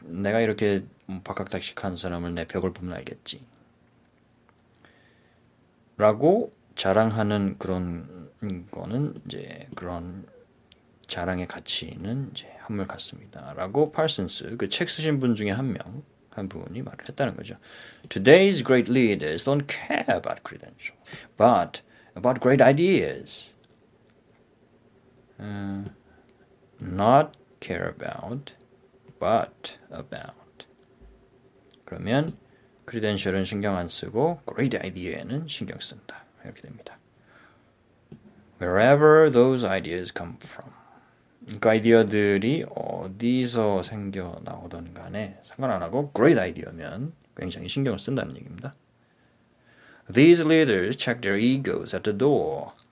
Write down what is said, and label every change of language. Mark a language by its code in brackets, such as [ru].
[ko] 내가 이렇게 박학다식한 사람을 내 벽을 보면 알겠지. 라고 자랑하는 그런 거는 이제 그런 자랑의 가치는 이제 한물 갔습니다라고 파슨스 그책 쓰신 분 중에 한명한 분이 말을 했다는 거죠. [en] Today's great leaders don't care about credentials, but about great ideas. Not care about, but about. [ko] 그러면 credential은 신경 안 쓰고 great idea는 신경 쓴다 이렇게 됩니다. [en] Wherever those ideas come from. [ko] 그 아이디어들이 어디서 생겨나오든 간에 상관 안 하고 great 아이디어면 굉장히 신경을 쓴다는 얘기입니다. [en] These leaders check their egos at the door.